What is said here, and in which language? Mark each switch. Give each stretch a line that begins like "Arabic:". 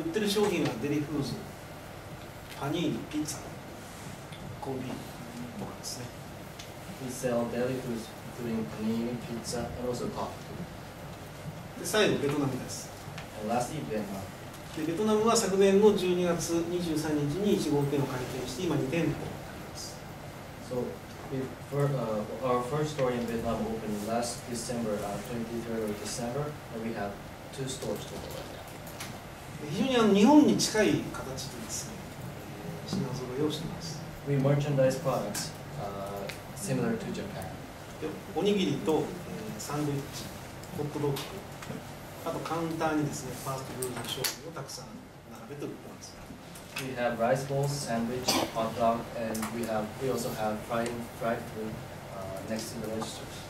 Japanese: で売ってる商品はデリフーズ、パニーニ、ピッツァ、コーヒーとかですね。
English: We sell deli foods including パニーニ、ピッツァ and also coffee.
Japanese: で最後ベトナムです。
English: And lastly, ベトナム。
Japanese: でベトナムは昨年の12月23日に1号店を開店して今2店舗あります。
English: So,our first store in Vietnam opened last December, 23rd of December, and we have two stores to open.
Japanese: 非常にあの日本に近い形でですね、品揃えをしています。
English: We merchandise products similar to Japan.
Japanese: おにぎりと、サンドイッチ、ホットドッグ、あとカウンターにですね、ファーストフードの商品をたくさん並べて売ってます。
English: We have rice balls, sandwich, hot dog, and we also have fried food next to the registers.